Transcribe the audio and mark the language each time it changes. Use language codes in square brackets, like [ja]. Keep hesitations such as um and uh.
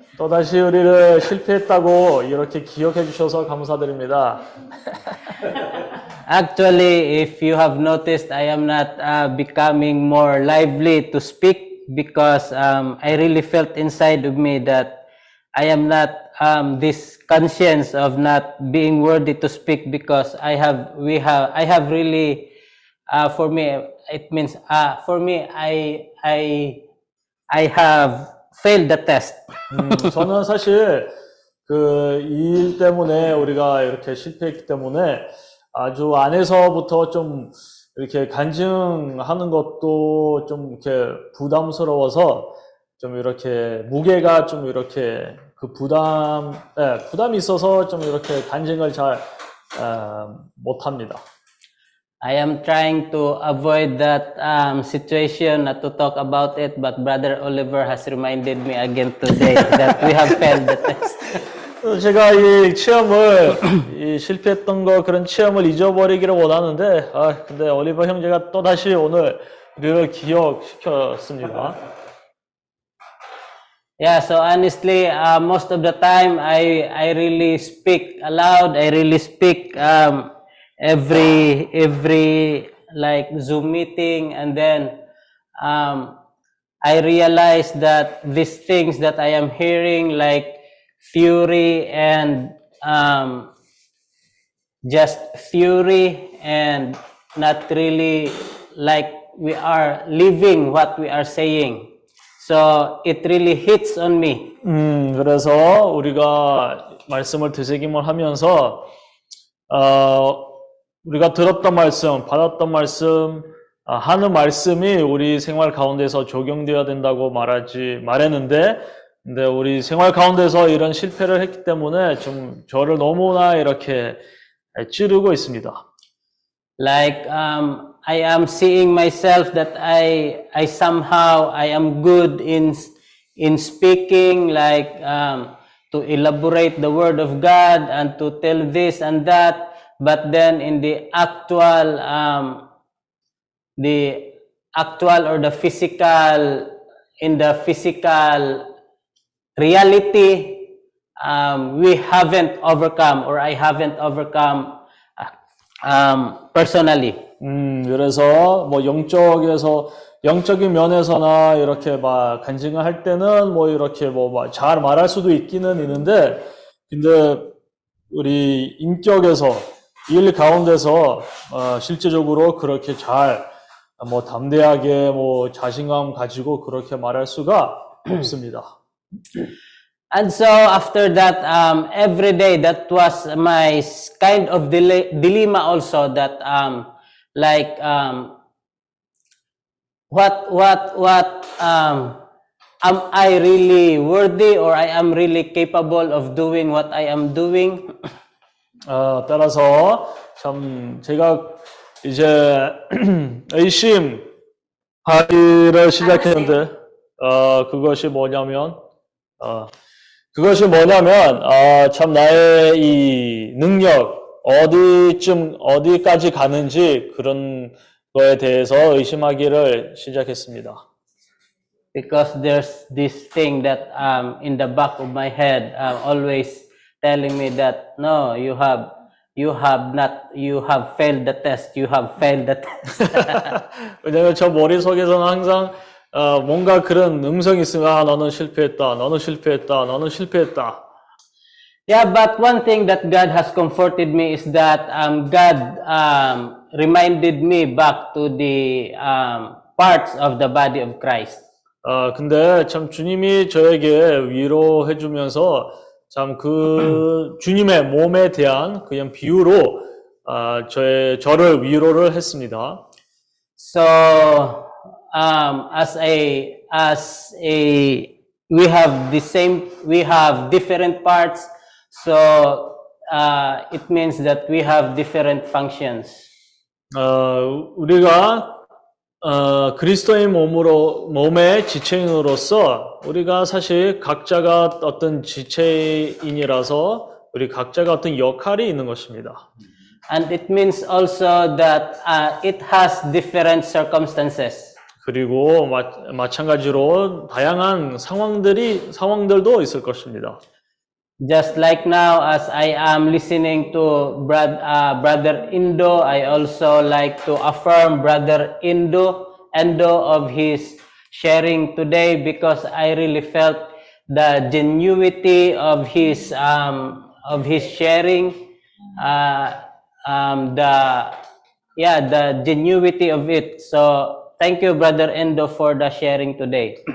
[ko] 또다시 우리를 실패했다고 이렇게 기억해 감사드립니다. [en] Actually, if you have noticed, I am not uh, becoming more lively to speak because um, I really felt inside of me that I am not um, this conscience of not being worthy to speak because I have, we have, I have really, uh, for me, it means, uh, for me, I, I, I have failed the test. [ko] 음, 저는 사실 그 일 때문에 우리가 이렇게 실패했기 때문에 아주 안에서부터 좀 이렇게 간증하는 것도 좀 이렇게 부담스러워서 좀 이렇게 무게가 좀 이렇게 그 부담, 예, 부담이 있어서 좀 이렇게 간증을 잘 어, 못합니다. [en] I am trying to avoid that um, situation, not to talk about it, but Brother Oliver has reminded me again today that we have failed the test. [ko] 제가 이 체험을, 이 실패했던 거, 그런 체험을 잊어버리기를 원하는데, 아, 근데 올리버 형제가 또다시 오늘 우리를 기억시켰습니다. [en] Yeah, so honestly, uh, most of the time I I really speak aloud. I really speak um, every every like Zoom meeting, and then um, I realize that these things that I am hearing, like fury and um, just fury, and not really like we are living what we are saying. So it really hits on me. [ko] 음, 그래서 우리가 말씀을 되새김을 하면서 어, 우리가 들었던 말씀, 받았던 말씀, 어, 하는 말씀이 우리 생활 가운데서 적용되어야 된다고 말하지 말했는데, 근데 우리 생활 가운데서 이런 실패를 했기 때문에 좀 저를 너무나 이렇게 찌르고 있습니다. [en] Like um, I am seeing myself that I I somehow I am good in in speaking like um, to elaborate the word of God and to tell this and that, but then in the actual um, the actual or the physical in the physical reality um, we haven't overcome or I haven't overcome uh, personally. [ko] 음, 그래서 뭐 영적에서 영적인 면에서나 이렇게 막 간증을 할 때는 뭐 이렇게 뭐잘 말할 수도 있기는 있는데, 근데 우리 인격에서 일 가운데서 어, 실제적으로 그렇게 잘 뭐 담대하게 뭐 자신감 가지고 그렇게 말할 수가 없습니다. [en] And so after that, um, every day that was my kind of dilemma also that. Um, like what what what am i really worthy or i am really capable of doing what i am doing [ko] 따라서 참 제가 이제 의심 하기를 시작했는데 그것이 뭐냐면 그것이 뭐냐면 참 나의 이 능력 어디쯤 어디까지 가는지 그런 거에 대해서 의심하기를 시작했습니다. [en] Because there's this thing that um in the back of my head um always telling me that no you have you have not you have failed the test you have failed the test. [ko] 왜냐면 저 머릿속에서는 항상 어, 뭔가 그런 음성이 있으면 아 너는 실패했다. 너는 실패했다. 너는 실패했다. [en] Yeah, but one thing that God has comforted me is that um, God um, reminded me back to the um, parts of the body of Christ. [ko] 어, 근데 참 주님이 저에게 위로해 주면서 참 그 주님의 몸에 대한 그냥 비유로 어, 저의, 저를 위로를 했습니다. [en] So, um, as a, as a, we have the same, we have different parts So uh, it means that we have different functions. [ko] 어, 우리가 어, 그리스도의 몸으로 몸의 지체인으로서 우리가 사실 각자가 어떤 지체인이라서 우리 각자가 어떤 역할이 있는 것입니다. [en] And it means also that uh, it has different circumstances. [ko] 그리고 마, 마찬가지로 다양한 상황들이 상황들도 있을 것입니다. [en] just like now as i am listening to brother, uh, brother indo i also like to affirm brother indo endo of his sharing today because i really felt the genuity of his um, of his sharing uh, um, the yeah the genuity of it so Thank you, brother Indo, for the sharing today.